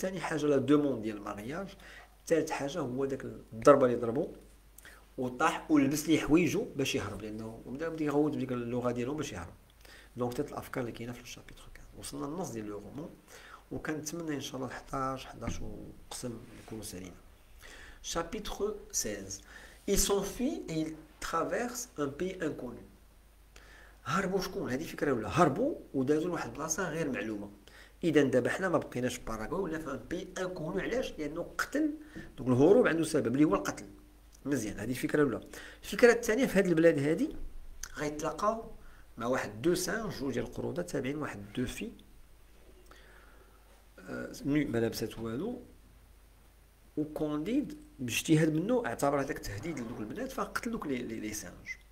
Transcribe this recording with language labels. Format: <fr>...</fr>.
<ar>ثاني حاجة لا دوموند ديال المارياج. ثالث حاجة هو داك الضربة اللي ضربو وطاح ولبس ليه حويجو باش يهرب، لأنه بدا يغوت بديك اللغة ديالو باش يهرب. دونك ثلاث الأفكار اللي كاينة في الشابيتر 15. وصلنا للنص ديال لو رومون، وكنتمنى إن شاء الله 11 11 وقسم يكونوا سالينا. شابيتر 16</ar> <fr>Il s'enfuit et il traverse un pays inconnu.</fr> <ar>هربوا شكون؟ هذه فكرة ولا هربوا ودازوا لواحد البلاصة غير معلومة. إذا دابا حنا ما بقيناش في باراغواي ولا في</ar> <fr>بي انكونو.</fr> <ar>علاش؟ لأنه قتل. دونك الهروب عنده سبب اللي هو القتل. مزيان، هذه الفكرة الأولى. الفكرة الثانية، في هذه البلاد هذه غيتلاقاو مع واحد</ar> <fr>دو سانج،</fr> <ar>جوج ديال القرودة تابعين لواحد دو في نو ما لابسات والو، وكونديد باجتهاد منه اعتبر هذاك تهديد لدوك البنات فقتل دوك لي سانج.</ar>